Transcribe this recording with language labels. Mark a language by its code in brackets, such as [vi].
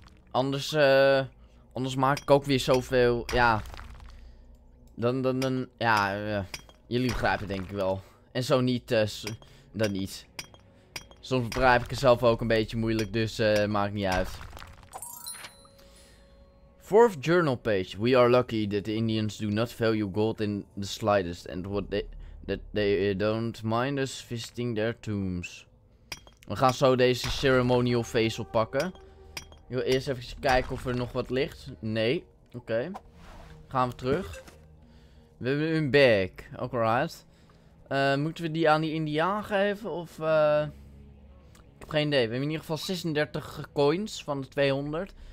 [nl] Anders, anders maak ik ook weer zoveel, ja. Dan, ja, jullie begrijpen denk ik wel. En zo niet, dan niet. Soms begrijp ik het zelf ook een beetje moeilijk, dus maakt niet uit. [en] Fourth journal page. We are lucky that the Indians do not value gold in the slightest. And what they don't mind us visiting their tombs. [nl] We gaan zo deze ceremonial vezel pakken. Ik wil eerst even kijken of er nog wat ligt. Nee. Oké. Gaan we terug. We hebben een bag. Alright. Moeten we die aan die Indiaan geven? Of ik heb geen idee. We hebben in ieder geval 36 coins van de 200.